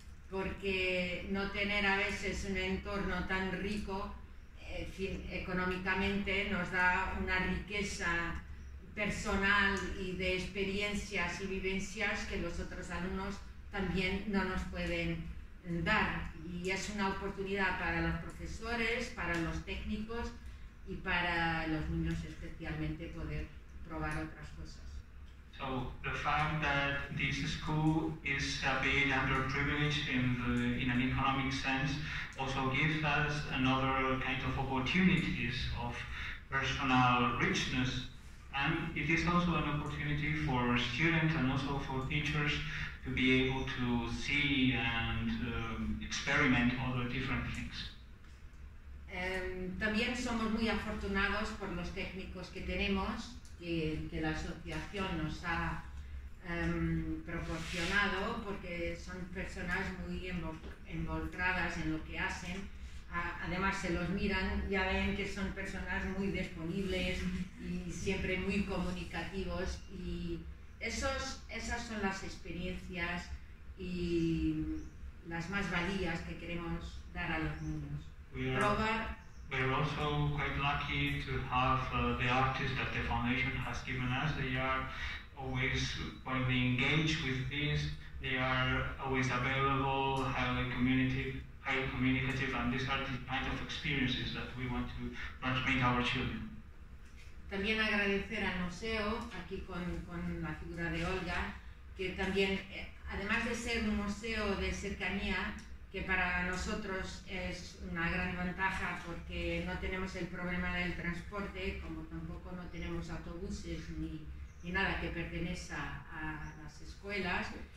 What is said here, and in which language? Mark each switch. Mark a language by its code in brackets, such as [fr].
[es] Porque no tener a veces un entorno tan rico económicamente nos da una riqueza personal y de experiencias y vivencias que los otros alumnos también no nos pueden dar, y es una oportunidad para los profesores, para los técnicos y para los niños especialmente poder probar otras cosas. [en] So the fact that this school is a bit underprivileged in an economic sense also gives us another kind of opportunities of personal richness. And it is also an opportunity for students and also for teachers to be able to see and experiment other different things. [es] También somos muy afortunados por los técnicos que tenemos, que la asociación nos ha proporcionado, porque son personas muy involucradas en lo que hacen. Además, se los miran, ya ven que son personas muy disponibles y siempre muy comunicativos, y esas son las experiencias y las más valías que queremos dar a los niños. [en] We are, [es] probar [en] We are also quite lucky to have the artists that the foundation has given us. They are always, when we engage with this, they are always available, highly communicative, and these are the kind of experiences that we want to transmit our children. [es] También agradecer al museo, aquí con la figura de Olga, que también, además de ser un museo de cercanía, que para nosotros es una gran ventaja porque no tenemos el problema del transporte, como tampoco no tenemos autobuses ni nada que pertenezca a las escuelas,